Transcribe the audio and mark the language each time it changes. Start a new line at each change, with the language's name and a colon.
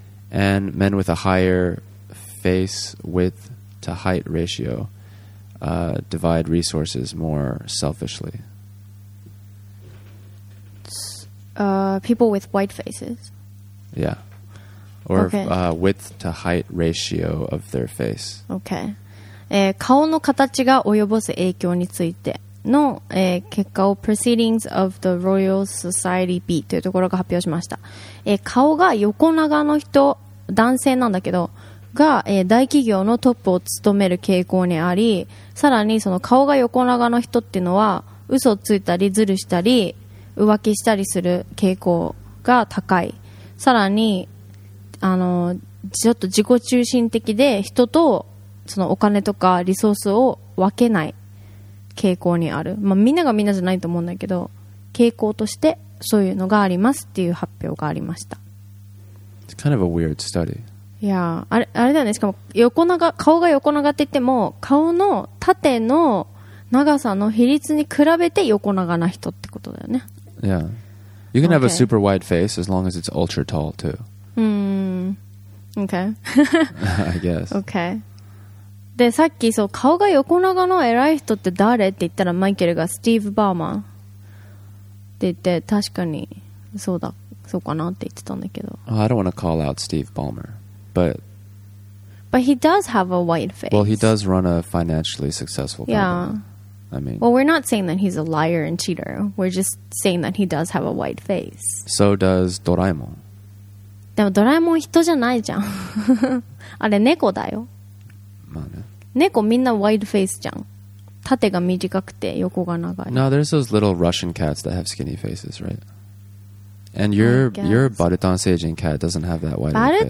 English: And men with a higher face width to height ratio divide resources more selfishly. People with white faces. Yeah. Or okay. Width to height ratio of their face. Okay.
Japanese: 顔の形が及ぼす影響についての、結果を Proceedings of the Royal Society B というところが発表しました。顔が横長の人男性なんだけどが、大企業のトップを務める傾向にあり、さらにその顔が横長の人っていうのは嘘をついたりズルしたり浮気したりする傾向が高い。さらにちょっと自己中心的で人とそのお金とかリソースを分けない傾向にある、まあ、みんながみんなじゃないと思うんだけど傾向としてそういうのがありますっていう発表がありました。
English: Kind of a weird study.
Japanese: Yeah, あれだよね。しかも横長、顔が横長って言っても顔の縦の長さの比率に比べて横長な人ってことだよね。
English: Yeah. You can have a super wide face as long as it's ultra tall too. Okay. I guess. Okay.
Japanese: で、さっきそう顔が横長の偉い人って誰って言ったらマイケルがスティーブ・バーマンって言って、確かにそうだそうかなって言ってたんだけど。
English: Oh, I don't want to call out Steve Ballmer, but... But he does have a white face. Well, he does run a financially successful company. Yeah. I mean... Well, we're not saying that he's a liar and cheater. We're just saying that he does have a white face. So does Doraemon.
Japanese: でもドラえもん人じゃないじゃん。あれ猫だよ。まあね。猫みんな
English: white face
Japanese: じゃん。縦が短くて横が長い。
English: No, there's those little Russian cats that have skinny faces, right? And your Barutan Seijin cat doesn't have that white face.